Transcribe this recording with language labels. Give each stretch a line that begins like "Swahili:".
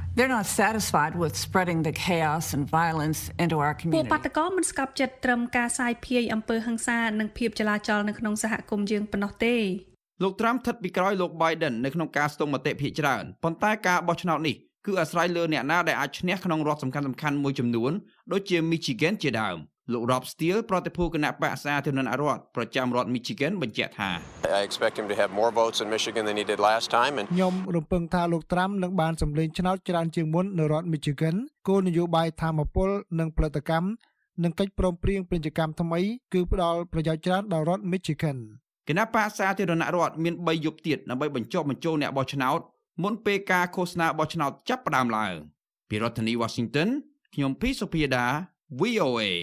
English: They're not satisfied with spreading the chaos and violence into our community.
Khmer: ពួកបាតកោមិនស្កប់ចិត្តត្រឹមការសាយភាយអំពើហិង្សានិងភាពចលាចលនៅក្នុងសហគមន៍យើងប៉ុណ្ណោះទេ លោកត្រាំថិតពីក្រោយលោក Biden នៅក្នុងការស្ទង់មតិភាគច្រើនប៉ុន្តែការបោះឆ្នោតនេះគឺអាស្រ័យលើអ្នកណាដែលអាចឈ្នះក្នុងរដ្ឋសំខាន់ៗមួយចំនួនដូចជា Michigan ជាដើមលោក Rob Steele ប្រតិភូគណៈបក្សសាធារណរដ្ឋប្រចាំរដ្ឋ Michigan បញ្ជាក់ថា
English: I expect him to have more votes in Michigan than he did last time
Khmer: and ខ្ញុំរំពឹងថាលោកត្រាំនឹងបានសម្លេងឆ្នោតច្រើនជាងមុននៅរដ្ឋ Michigan គោលនយោបាយធម្មពលនិងផលិតកម្មនិងកិច្ចព្រមព្រៀងពាណិជ្ជកម្មថ្មីគឺផ្ដល់ប្រយោជន៍ច្រើនដល់រដ្ឋ Michigan គណៈបក្សសាធារណរដ្ឋមាន3យប់ទៀតដើម្បីបញ្ចុះបញ្ចូលអ្នកបោះឆ្នោតមុនពេលការឃោសនាបោះឆ្នោតចាប់ផ្ដើមឡើងពីរដ្ឋធានី Washington ខ្ញុំភីសុភីដា VOA